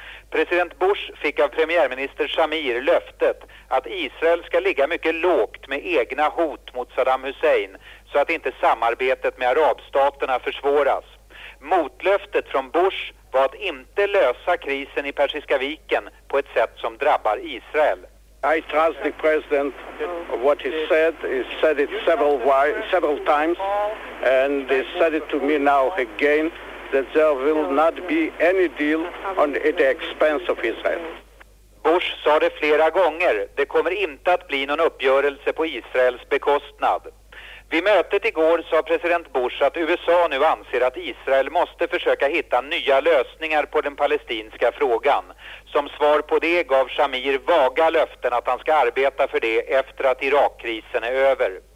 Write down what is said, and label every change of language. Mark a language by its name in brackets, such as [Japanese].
[Swedish] President Bush fick av premiärminister Shamir löftet att Israel ska ligga mycket lågt med egna hot mot Saddam Hussein så att inte samarbetet med arabstaterna försvåras. Motlöftet från Bush var att inte lösa krisen i Persiska viken på ett sätt som drabbar Israel. [English] I trust the president of what he said it several times and he said it to me now again that there will not be any deal on at the expense of Israel. [Swedish] Bush sa det flera gånger, det kommer inte att bli någon uppgörelse på Israels bekostnad. Vid mötet igår sa president Bush att USA nu anser att Israel måste försöka hitta nya lösningar på den palestinska frågan. Som svar på det gav Shamir vaga löften att han ska arbeta för det efter att Irakkrisen är över.